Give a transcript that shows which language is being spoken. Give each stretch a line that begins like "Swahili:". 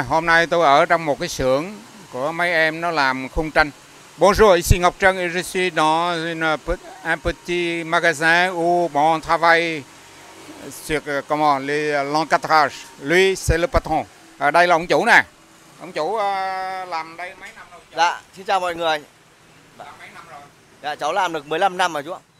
Vietnamese: Hôm nay tôi ở trong một cái xưởng của mấy em nó làm khung tranh.
French: Bonjour, ici Ngọc Trân, je suis dans une petit magasin où on travaille sur comment les l'encadrage. Lui, c'est le patron.
Vietnamese: Đây là ông chủ nè. Ông chủ làm đây mấy năm rồi? Dạ, xin chào mọi người. Làm mấy năm rồi? Dạ, cháu làm được 15 năm rồi chú.